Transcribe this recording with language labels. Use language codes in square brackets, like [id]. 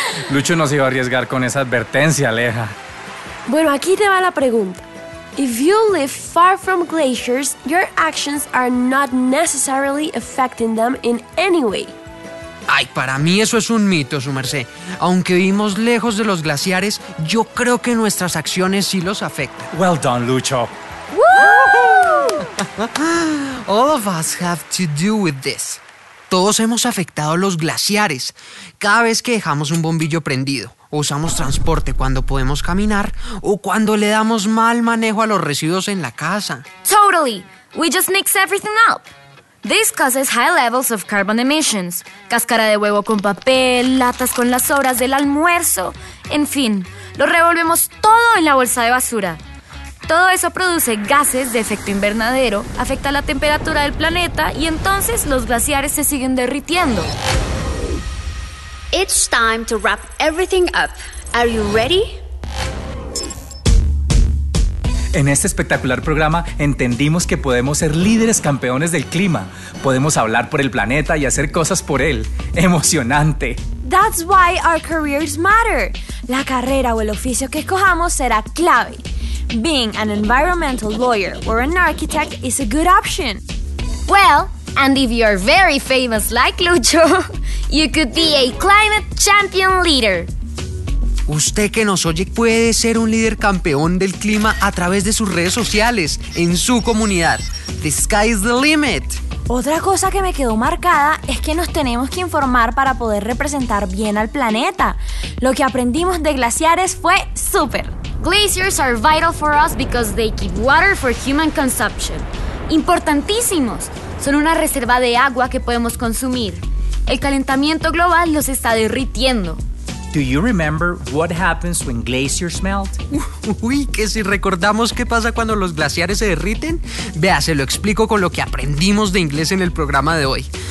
[es] Lucho no se iba a arriesgar con esa advertencia, Aleja. Bueno, aquí te va la pregunta. [en] If you live far from glaciers, your actions are not necessarily affecting them in any way. [es] Ay, para mí eso es un mito, su merced. Aunque vivimos lejos de los glaciares, yo creo que nuestras acciones sí los afectan. [en] Well done, Lucho. ¡Woo! All of us have to do with this. [es] Todos hemos afectado los glaciares. Cada vez que dejamos un bombillo prendido, usamos transporte cuando podemos caminar o cuando le damos mal manejo a los residuos en la casa. [en] Totally. We just mix everything up. This causes high levels of carbon emissions. [es] Cáscara de huevo con papel, latas con las sobras del almuerzo. En fin, lo revolvemos todo en la bolsa de basura. Todo eso produce gases de efecto invernadero, afecta la temperatura del planeta y entonces los glaciares se siguen derritiendo. [en] It's time to wrap everything up. Are you ready? [es] En este espectacular programa entendimos que podemos ser líderes campeones del clima. Podemos hablar por el planeta y hacer cosas por él. ¡Emocionante! [en] That's why our careers matter. [es] La carrera o el oficio que escojamos será clave. [en] Being an environmental lawyer or an architect is a good option. Well, and if you are very famous like Lucho, you could be a climate champion leader. [es] Usted que nos oye puede ser un líder campeón del clima a través de sus redes sociales, en su comunidad. [en] The sky's the limit. [es] Otra cosa que me quedó marcada es que nos tenemos que informar para poder representar bien al planeta. Lo que aprendimos de glaciares fue súper. [en] Glaciers are vital for us because they keep water for human consumption. [es] Importantísimos. Son una reserva de agua que podemos consumir. El calentamiento global los está derritiendo. [en] Do you remember what happens when glaciers melt? [es] Uy, que si recordamos qué pasa cuando los glaciares se derriten. Vea, se lo explico con lo que aprendimos de inglés en el programa de hoy.